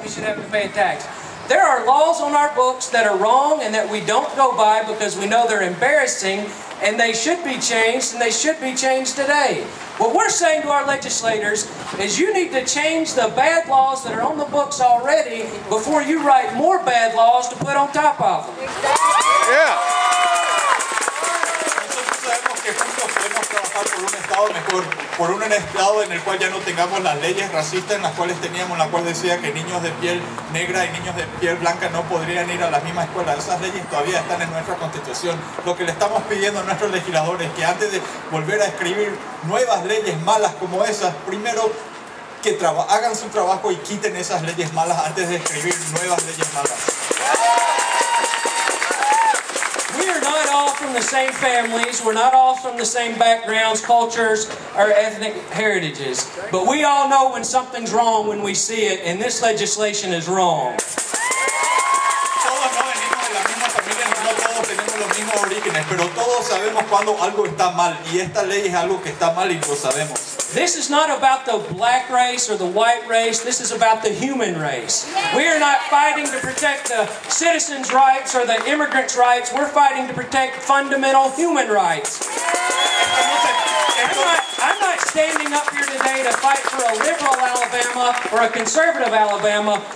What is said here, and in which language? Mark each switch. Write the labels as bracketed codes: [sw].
[en] We should have to pay a tax. There are laws on our books that are wrong and that we don't go by because we know they're embarrassing, and they should be changed, and they should be changed today. What we're saying to our legislators is you need to change the bad laws that are on the books already before you write more bad laws to put on top of them. Yeah. [es] Por un estado mejor, por un estado en el cual ya no tengamos las leyes racistas en las cuales teníamos, la cual decía que niños de piel negra y niños de piel blanca no podrían ir a las mismas escuelas. Esas leyes todavía están en nuestra constitución. Lo que le estamos pidiendo a nuestros legisladores es que antes de volver a escribir nuevas leyes malas como esas, primero que hagan su trabajo y quiten esas leyes malas antes de escribir nuevas leyes malas. [en] From the same families, we're not all from the same backgrounds, cultures, or ethnic heritages. But we all know when something's wrong when we see it, and this legislation is wrong. [es] Todos no venimos de la misma familia, no todos tenemos los mismos orígenes, pero todos sabemos cuando algo está mal, y esta ley es algo que está mal y lo sabemos. [en] This is not about the black race or the white race. This is about the human race. We are not fighting to protect the citizens' rights or the immigrants' rights. We're fighting to protect fundamental human rights. I'm not standing up here today to fight for a liberal Alabama or a conservative Alabama.